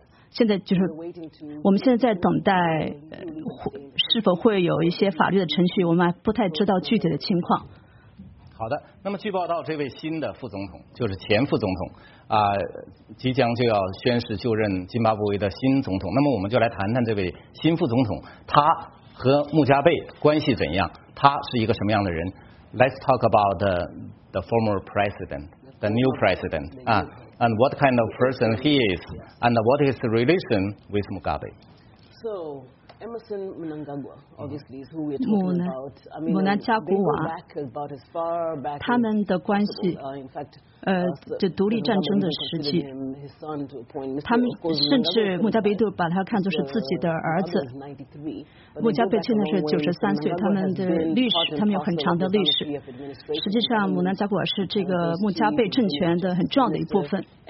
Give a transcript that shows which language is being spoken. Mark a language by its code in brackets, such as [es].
[zh] 现在就是我们现在在等待，是否会有一些法律的程序，我们还不太知道具体的情况。好的，那么据报道，这位新的副总统就是前副总统。即将就要宣誓就任津巴布韦的新总统，那么我们就来谈谈这位新副总统，他和穆加贝关系怎样，他是一个什么样的人。 [en] Let's talk about the former president, the new president, and what kind of person he is, and what his relation with Mugabe. So Emmerson Mnangagwa, obviously, is who we're talking about. I mean, Mnangagwa, they go back about as far back as possible. [zh] 他们的关系这独立战争的时期，他们甚至穆加贝都把他看作是自己的儿子。穆加贝现在是93岁，他们的历史，他们有很长的历史。实际上，穆南加古尔是这个穆加贝政权的很重要的一部分。